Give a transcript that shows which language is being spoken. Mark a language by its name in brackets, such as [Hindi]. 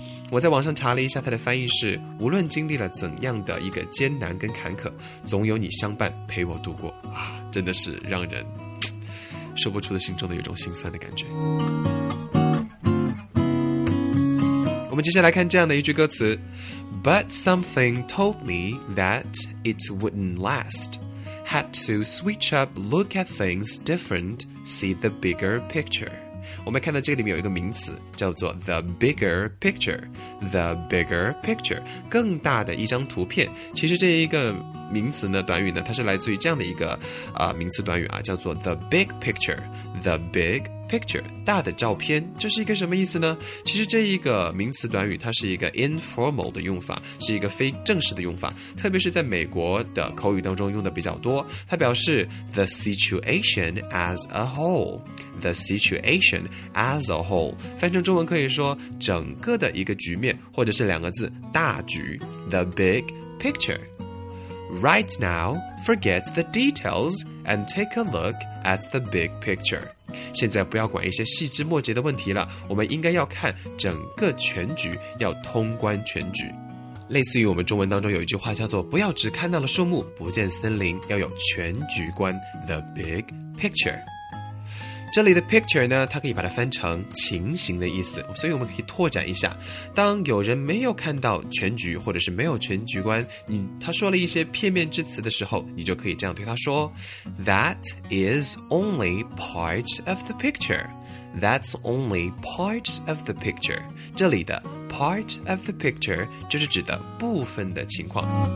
[Chinese] 我在网上查了一下它的翻译是无论经历了怎样的一个艰难跟坎坷总有你相伴陪我度过、啊、真的是让人说不出的心中的有种心酸的感觉我们接下来看这样的一句歌词 [English] But something told me that it wouldn't lastHad to switch up, look at things different, see the bigger picture. [Chinese] 我们看到这里面有一个名词叫做 the bigger picture. The bigger picture, 更大的一张图片。其实这一个名词呢短语呢它是来自于这样的一个、名词短语啊叫做 the big picture. The big picture, 大的照片。这是一个什么意思呢其实这一个名词短语它是一个 informal 的用法是一个非正式的用法特别是在美国的口语当中用的比较多。它表示 [English] the situation as a whole, [Chinese] the situation as a whole, 翻成中文可以说整个的一个局面或者是两个字大局 the big picture. [English] Right now, forget the details and take a look at the big picture. [Chinese] 现在不要管一些细枝末节的问题了，我们应该要看整个全局，要通观全局。类似于我们中文当中有一句话叫做不要只看到了树木，不见森林，要有全局观 ,the big picture. 这里的 picture 呢它可以把它翻成情形的意思所以我们可以拓展一下当有人没有看到全局或者是没有全局观他说了一些片面之词的时候你就可以这样对他说 [English] That is only part of the picture [Chinese] That's only part of the picture 这里的 part of the picture 就是指的部分的情况